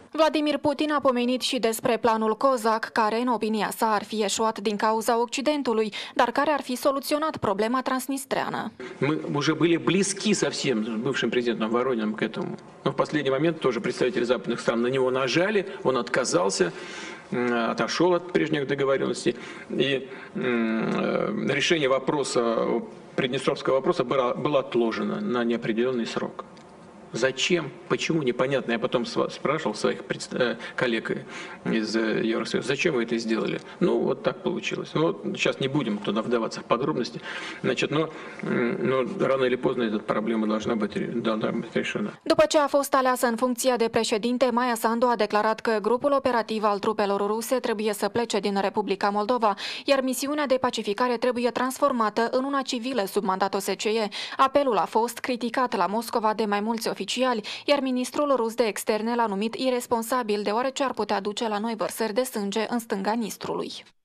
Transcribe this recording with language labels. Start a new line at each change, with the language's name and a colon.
Romanian: Vladimir Putin a pomenit și despre planul COSAC, care, în opinia sa, ar fi eșuat din cauza Occidentului, dar care ar fi soluționat problema transnistreană.
Russian: Мы уже были близки совсем с бывшим президентом Воронином к этому. Но в последний момент тоже представители западных стран на него нажали, он отказался, отошел от прежних договоренностей. И решение вопроса, приднестровского вопроса, было отложено на неопределенный срок. Зачем? Почему? Непонятно. Я потом спрашивал своих коллег из Евросоюза, зачем вы это сделали? Ну, вот так получилось. Ну, сейчас не будем туда вдаваться в подробности. Значит, но рано или поздно эта проблема должна быть решена.
Romanian: După ce a fost aleasă în funcția de președinte, Maia Sandu a declarat că grupul operativ al trupelor ruse trebuie să plece din Republica Moldova, iar misiunea de pacificare trebuie transformată în una civilă sub mandat OSCE. Apelul a fost criticat la Moscova de mai mulți oficiali, iar ministrul rus de externe l-a numit irresponsabil, deoarece ar putea duce la noi vărsări de sânge în stânga Nistrului.